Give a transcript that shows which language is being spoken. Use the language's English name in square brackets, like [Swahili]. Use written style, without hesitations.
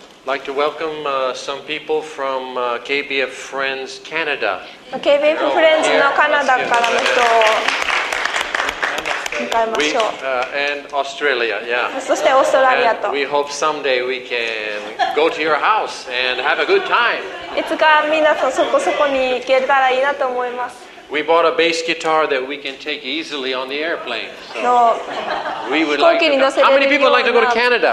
[English] Like to welcome some people from KBF Friends Canada. [Japanese] KBF Friends のカナダからの人を迎えましょう。 [English] And Australia, yeah. [Japanese] そしてオーストラリアと。 [English] And we hope someday we can go to your house and have a good time. [Japanese] いつか皆さんそこそこに行けたらいいなと思います。 [English] We bought a bass guitar that we can take easily on the airplane. So we would like to. How many people like to go to Canada?